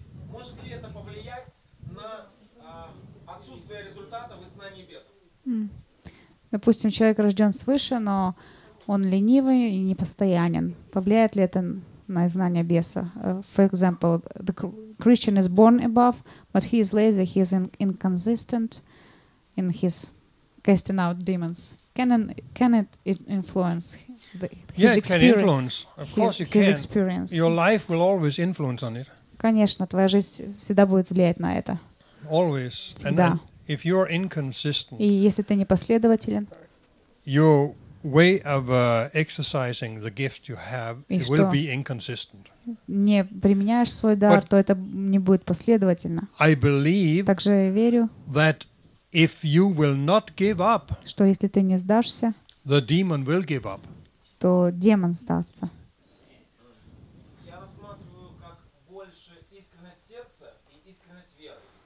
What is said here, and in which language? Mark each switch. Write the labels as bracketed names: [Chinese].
[Russian] Может ли это повлиять на отсутствие результата в изгнании бесов? Допустим, человек рожден свыше, но он ленивый и непостоянен. Повлияет ли это на изгнание беса? [English] For example, the Christian is born above, but he is lazy, he is inconsistent in his casting out demons. Can it influence His experience? Your life will always influence on it. [Russian] Конечно, твоя жизнь всегда будет влиять на это. [English] Always. [Russian] Всегда. [English] And if you are inconsistent, [Russian] и если ты непоследователен, [English] your way of exercising the gift you have will be inconsistent. [Russian] Не применяешь свой дар, то это не будет последовательно. [English] I believe. [Russian] Также я верю. [English] That if you will not give up, [Russian] что если ты не сдашься, [English] the demon will give up. [Russian] что демон сдастся. Я рассматриваю как больше искренность сердца и искренность веры.